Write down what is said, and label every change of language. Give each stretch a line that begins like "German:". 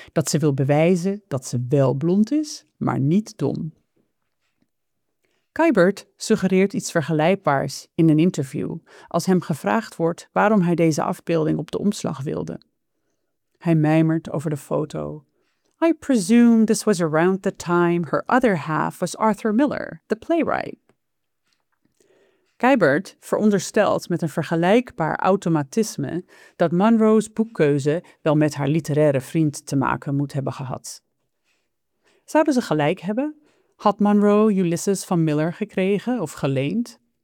Dutch: Dat ze wil bewijzen dat ze wel blond is, maar niet dom. Kuybert suggereert iets vergelijkbaars in een interview als hem gevraagd wordt waarom hij deze afbeelding op de omslag wilde. Hij mijmert over de foto.
English: I presume this was around the time her other half was Arthur Miller, the playwright.
Dutch: Kuybert veronderstelt met een vergelijkbaar automatisme dat Monroe's boekkeuze wel met haar literaire vriend te maken moet hebben gehad. Zouden ze gelijk hebben? Had Monroe Ulysses van Miller gekregen of geleend?